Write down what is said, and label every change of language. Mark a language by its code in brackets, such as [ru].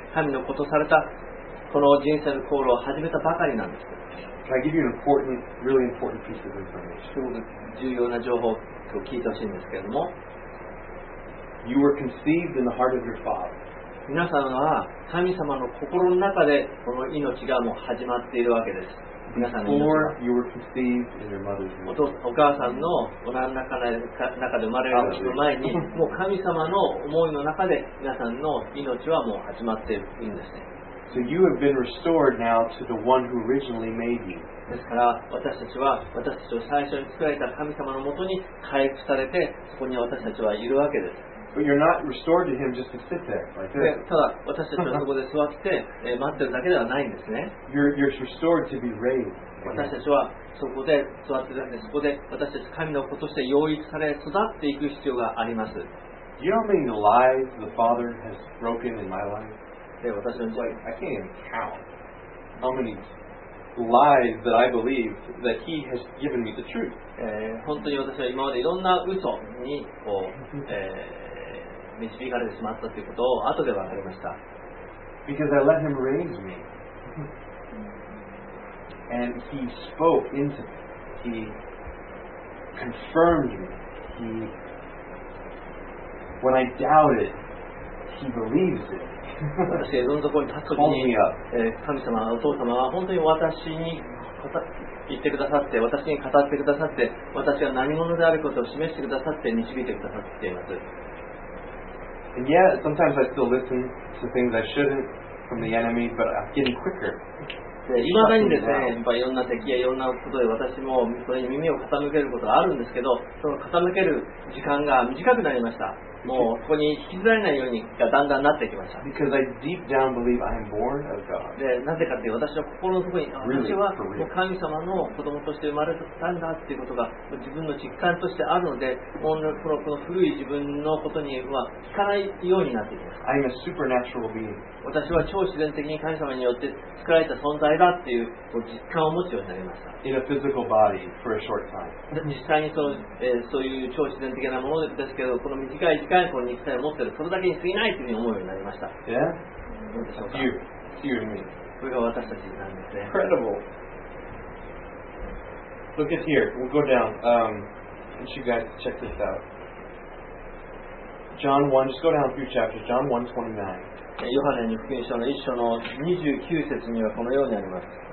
[ja] 神のことされたこの人生の航路を始めたばかりなんです。 [en] Can I give you an important, really important piece of information? [ja] 重要な情報を聞いてほしいんですけれども。 [en] You were conceived in the heart of your father. [ja] 皆さんは神様の心の中でこの命がもう始まっているわけです。 [en] Before you were conceived in your mother's womb. [ja] お母さんのお腹の中で生まれる前に、もう神様の思いの中で皆さんの命はもう始まっているんですね。 [en] So you have been restored now to the one who originally made you. [ja] ですから私たちは私たちを最初に作られた神様のもとに回復されてそこに私たちはいるわけです。 [en] But you're not restored to him just to sit there like this. [ja] ただ私たちはそこで座って待ってるだけではないんですね。 [en] You're restored to be raised. [ja] 私たちはそこで座ってるんです。そこで私たち神の子として養育され育っていく必要があります。 [en] Do you know how many lies the Father has broken in my life? [ja] 私たちは、 [en] I can't even count how many lies that I believe that He has given me the truth. [ja] 本当に私は今までいろんな嘘にこう導かれてしまったということを後で分かりました。 [en] Because I let Him raise me. And He spoke into me. He confirmed me. He, when I doubted, He believes it. [ja] 私がどんどんに立つときに神様、お父様は本当に私に言ってくださって、私に語ってくださって、私が何者であることを示してくださって、導いてくださっています。 [en] And yet, sometimes I still listen to things I shouldn't from the enemy, but I'm getting quicker. [ja] 未だにですね、やっぱりいろんな敵やいろんなことで私もそれに耳を傾けることがあるんですけど、その傾ける時間が短くなりました。もうそこに引きずられないようにがだんだんなってきました。 [en] Because I deep down believe I am born of God. [ja] で、なぜかというと、私は心の底に、私はもう神様の子供として生まれたんだということが自分の実感としてあるので、この古い自分のことには聞かないようになってきました。 [en] I am a supernatural being. [ja] 私は超自然的に神様によって作られた存在だっていう実感を持つようになりました。 [en] In a physical body for a short time. [ja] 実際にそういう超自然的なものですけど、この短い近いこの肉体を持っているそれだけに過ぎないというふうに思うようになりました。 [en] Yeah? It's you. It's you and me. [ja] これが私たちなんですね。 [en] Incredible. Look at here. We'll go down. Let you guys check this out. John 1. Just go down a few chapters. John 1:29. [ja] ヨハネの福音書の1章の29節にはこのようにあります。